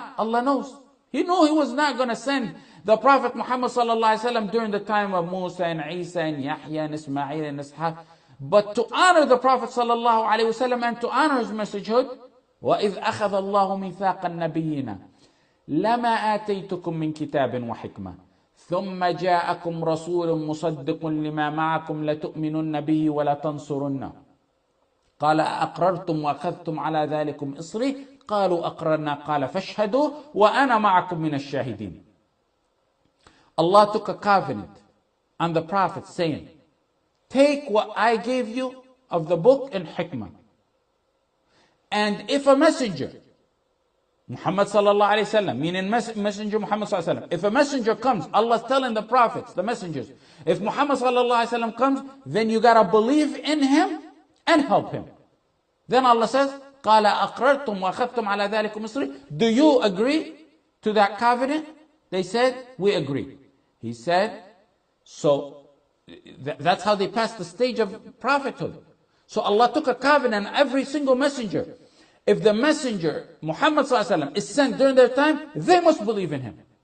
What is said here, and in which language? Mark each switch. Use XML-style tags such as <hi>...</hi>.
<en>Allah knew he was not going to send the Prophet Muhammad sallallahu alaihi wasallam during the time of Musa and Isa and Yahya and Ismail and Ishaq. But to honor the Prophet sallallahu alaihi wasallam and to honor his messengerhood,</en> <ar>وَإِذْ أَخَذَ اللَّهُ مِيثَاقَ النَّبِيِّينَ لَمَا آتَيْتُكُم مِّن كِتَابٍ وَحِكْمَةٍ ثُمَّ جَاءَكُمْ رَسُولٌ مُصَدِّقٌ لِمَا مَعَكُمْ لَتُؤْمِنُنَّ بِهِ وَلَتَنْصُرُنَّهُ قال أقررتم وأخذتم على ذلكم إصري قالوا أقررنا قال فاشهدوا وأنا معكم من الشاهدين.</ar> <en>Allah took a covenant on the Prophet saying, take what I gave you of the book in hikmah. And if a messenger, Muhammad sallallahu alayhi wa sallam, meaning messenger Muhammad sallallahu alayhi wa sallam, if a messenger comes, Allah's telling the prophets, the messengers, if Muhammad sallallahu alayhi wa sallam comes, then you gotta believe in him and help him. Then Allah says,</en> <ar>قَالَ أَقْرَرْتُمْ وَأَخَذْتُمْ عَلَى ذَلِكُمْ إِصْرِي.</ar> <en>Do you agree to that covenant? They said, we agree. He said, so that's how they passed the stage of prophethood. So Allah took a covenant on every single messenger. If the messenger, Muhammad sallallahu alayhi wa sallam, is sent during their time, they must believe in him.</en>